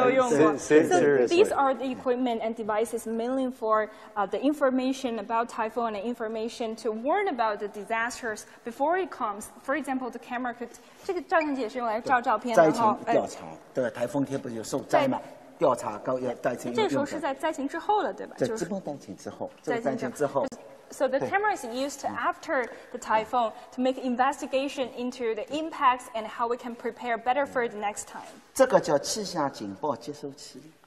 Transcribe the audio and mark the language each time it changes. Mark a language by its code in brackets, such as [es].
[en] These are the equipment and devices mainly for the information about typhoon and information to warn about the disasters before it comes. For example, the camera could. [zh] 这个照相机也是用来照照片的。灾情调查，对，台风天不是有受灾嘛？调查高要灾情，这时候是在灾情之后了，对吧？这基本灾情之后，灾情之后。 [en] So the camera is used after the typhoon to make investigation into the impacts and how we can prepare better for the next time. [zh] 这个叫气象警报接收器。